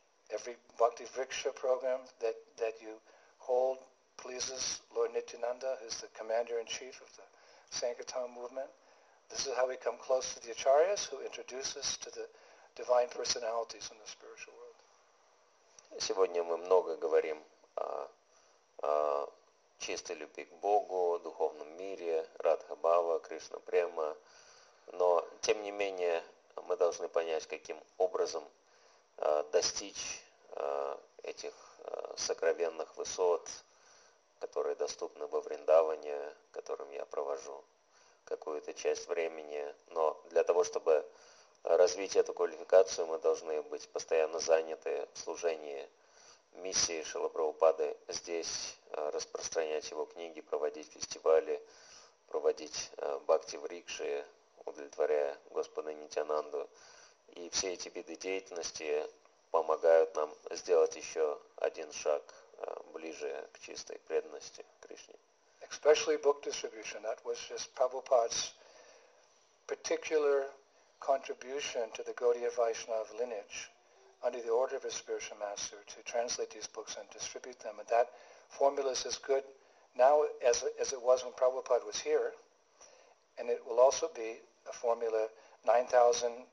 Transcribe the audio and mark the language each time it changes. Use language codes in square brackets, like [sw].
[en] Every bhakti viksha program that you hold pleases Lord Nityananda, who's the commander-in-chief of the Sankirtan movement. This is how we come close to the acharyas, who introduce us to the divine personalities in the spiritual world. [ru] Сегодня мы много говорим о чистой любви к Богу, духовном мире, Радха-бхава, Кришна-према, но тем не менее мы должны понять, каким образом достичь этих сокровенных высот, которые доступны во Вриндаване, которым я провожу какую-то часть времени. Но для того, чтобы развить эту квалификацию, мы должны быть постоянно заняты в служении миссии Шрилы Прабхупады здесь, распространять его книги, проводить фестивали, проводить бхакти-врикши, удовлетворяя Господа Нитянанду. И все эти виды деятельности помогают нам сделать еще один шаг ближе к чистой преданности Кришне. [en] Especially book distribution. That was just Prabhupada's particular contribution to the Gaudiya Vaishnava lineage under the order of his spiritual master to translate these books and distribute them. And that formula is as good now as it was when Prabhupada was here. And it will also be a formula 9,000